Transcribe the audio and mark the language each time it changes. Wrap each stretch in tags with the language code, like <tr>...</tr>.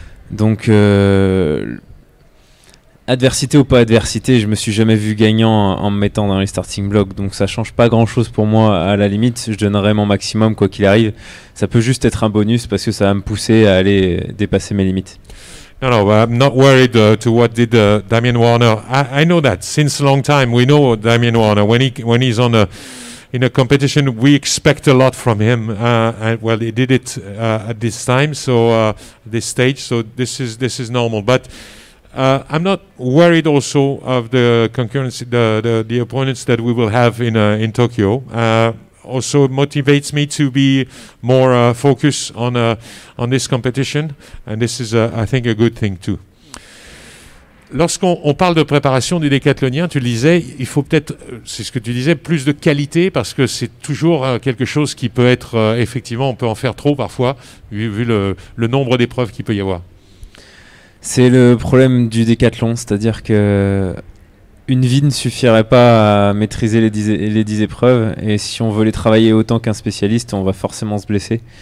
<fr>Donc, adversité ou pas adversité, je me suis jamais vu gagnant en me mettant dans les starting blocks, donc ça change pas grand chose pour moi. À la limite, je donnerai mon maximum quoi qu'il arrive. Ça peut juste être un bonus parce que ça va me pousser à aller dépasser mes limites.</fr> <en>No, no, I'm not worried to what did Damien Warner. I know that since a long time we know Damien Warner. When he's on in a competition, we expect a lot from him. Well, he did it at this time, so this stage, so this is normal. But I'm not worried also of the concurrency, the opponents that we will have in Tokyo. Also motivates me to be more focused on this competition, and this is I think a good thing too.</en> <fr>lorsqu'on parle de préparation du décathlonien, tu le disais, il faut peut-être, c'est ce que tu disais, plus de qualité, parce que c'est toujours quelque chose qui peut être, effectivement, on peut en faire trop parfois, vu le nombre d'épreuves qu'il peut y avoir. C'est le problème du décathlon, c'est-à-dire que une vie ne suffirait pas à maîtriser les 10 épreuves, et si on veut les travailler autant qu'un spécialiste, on va forcément se blesser.</fr>